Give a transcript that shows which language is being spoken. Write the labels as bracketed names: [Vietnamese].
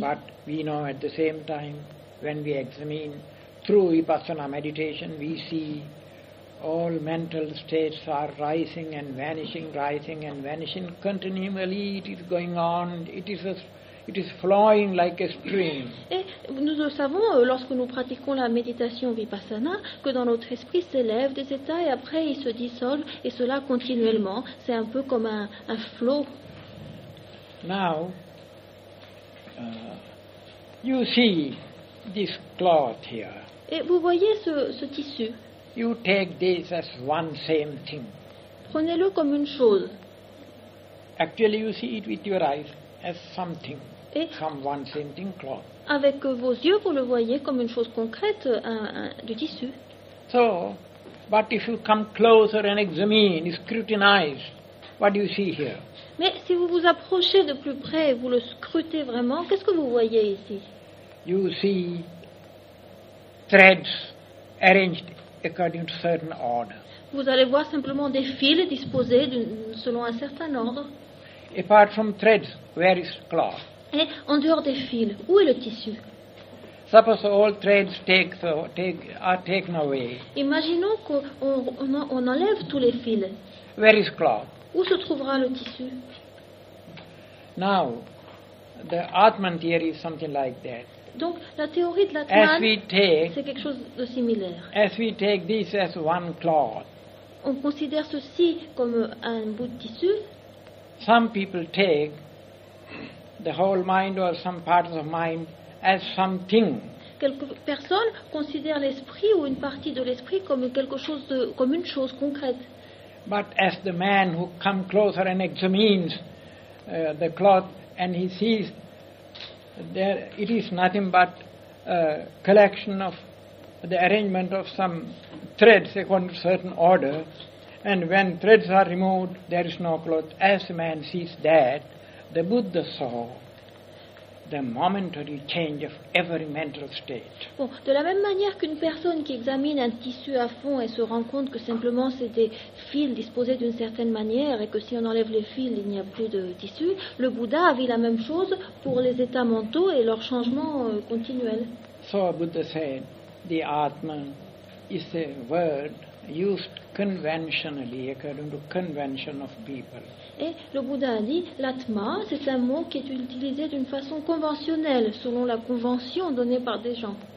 [English] But we know at the same time, when we examine through Vipassana meditation, we see all mental states are rising and vanishing continually. It is going on. It is flowing like a stream. [French] Et nous le savons, lorsque nous pratiquons la méditation Vipassana, que dans notre esprit s'élèvent des états et après ils se dissolvent, et cela continuellement. C'est un peu comme un flot. [English] Now, you see this cloth here. [French] Et vous voyez ce tissu. [English] You take this as one same thing. [French] Prenez-le comme une chose. [English] Actually, you see it with your eyes as something. Some one same thing, cloth. [French] Avec vos yeux, vous le voyez comme une chose concrète, du tissu. [English] So, but if you come closer and examine, scrutinize, what do you see here? [French] Mais si vous vous approchez de plus près et vous le scrutez vraiment, qu'est-ce que vous voyez ici? [English] You see threads arranged according to certain order. [French] Vous allez voir simplement des fils disposés selon un certain ordre. [English] Apart from threads, where is cloth? [French] Et en dehors des fils, où est le tissu? [English] Suppose all threads are taken away. [French] Imaginons qu'on enlève tous les fils. [English] Where is cloth? [French] Où se trouvera le tissu? [English] Now, the Atman theory is something like that. [French] Donc la théorie de l'Atman, c'est quelque chose de similaire. [English] As we take this as one cloth. [French] On considère ceci comme un bout de tissu. [English] Some people take the whole mind or some parts of mind as something. [French] Quelques personnes considèrent l'esprit ou une partie de l'esprit comme quelque chose de comme une chose concrète. [English] But as the man who comes closer and examines the cloth and he sees there it is nothing but a collection of the arrangement of some threads according to certain order, and when threads are removed there is no cloth, as the man sees that, the Buddha saw the momentary change of every mental state. [French] Bon, de la même manière qu'une personne qui examine un tissu à fond et se rend compte que simplement c'est des fils disposés d'une certaine manière et que si on enlève les fils, il n'y a plus de tissu, le Bouddha a vu la même chose pour les états mentaux et leur changement continuel. [English] So Buddha said, the Atman is a word used conventionally according to convention of people. [French] Et le Bouddha a dit, l'atma, c'est un mot qui est utilisé d'une façon conventionnelle, selon la convention donnée par des gens.